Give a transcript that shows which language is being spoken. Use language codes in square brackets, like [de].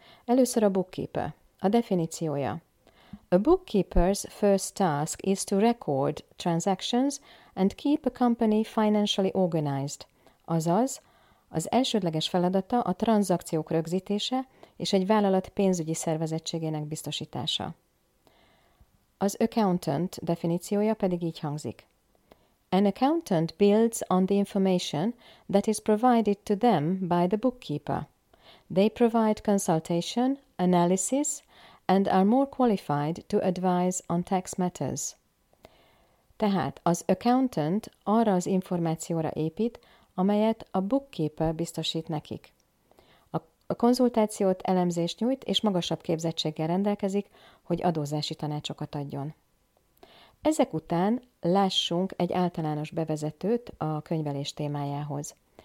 [hu] Először a [en] bookkeeper. [hu] A definíciója. [en] A bookkeeper's first task is to record transactions and keep a company financially organized. [hu] Azaz, az elsődleges feladata a tranzakciók rögzítése, és egy vállalat pénzügyi szervezettségének biztosítása. Az accountant definíciója pedig így hangzik. [en] An accountant builds on the information that is provided to them by the bookkeeper. They provide consultation, analysis, and are more qualified to advise on tax matters. [hu] Tehát az accountant arra az információra épít, amelyet a bookkeeper biztosít nekik. A konzultációt, elemzést nyújt, és magasabb képzettséggel rendelkezik, hogy adózási tanácsokat adjon. Ezek után lássunk egy általános bevezetőt a könyvelés témájához.